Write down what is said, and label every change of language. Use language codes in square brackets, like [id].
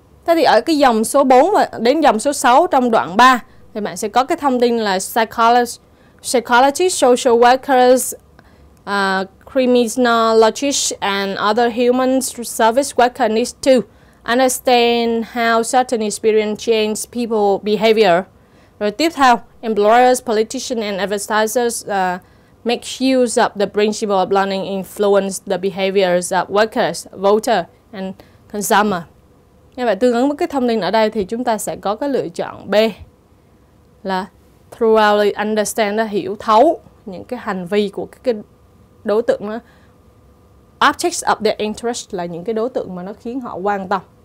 [vi] Thế thì ở cái dòng số 4 và đến dòng số 6 trong đoạn 3 thì bạn sẽ có cái thông tin là [en] psychologists, social workers, criminologists and other human service workers need to understand how certain experience change people behavior. Rồi tiếp theo, employers, politicians and advertisers make use of the principle of learning influence the behaviors of workers, voters and consumer. [vi] Như vậy tương ứng với cái thông tin ở đây thì chúng ta sẽ có cái lựa chọn B là [en] thoroughly understand, [vi] hiểu thấu những cái hành vi của cái đối tượng đó. [en] Objects of their interest [vi] là những cái đối tượng mà nó khiến họ quan tâm.